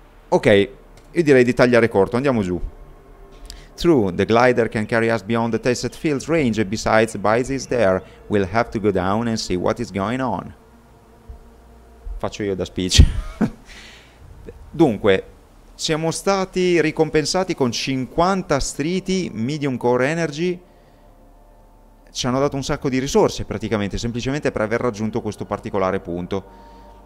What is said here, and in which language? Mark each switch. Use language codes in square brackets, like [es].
[it] Ok, io direi di tagliare corto, andiamo giù. [en] True, the glider can carry us beyond the tested field's range, besides Bize is there. We'll have to go down and see what is going on. [it] Faccio io da speech. Dunque, siamo stati ricompensati con 50 striti, medium core energy. Ci hanno dato un sacco di risorse, praticamente, semplicemente per aver raggiunto questo particolare punto.